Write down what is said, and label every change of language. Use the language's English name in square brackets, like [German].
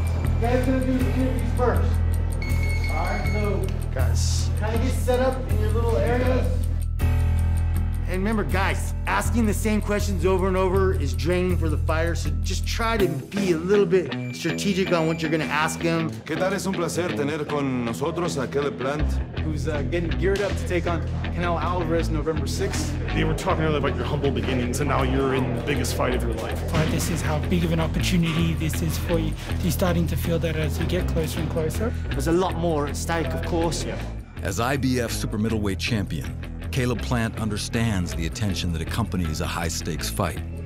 [English] You guys are gonna do the interviews first. All right, so guys, kind of get set up in your little areas. And remember, guys, asking the same questions over and over is draining for the fighter, so just try to be a little bit strategic on what you're gonna ask him. [Spanish] ¿Qué tal? Es un placer tener con nosotros a Caleb Plant. [English] Who's getting geared up to take on Canelo Alvarez November 6th. They were talking earlier about your humble beginnings, and now you're in the biggest fight of your life. But this is how big of an opportunity this is for you. You're starting to feel that as you get closer and closer. There's a lot more at stake, of course. Yeah. As IBF super middleweight champion, Caleb Plant understands the attention that accompanies a high-stakes fight.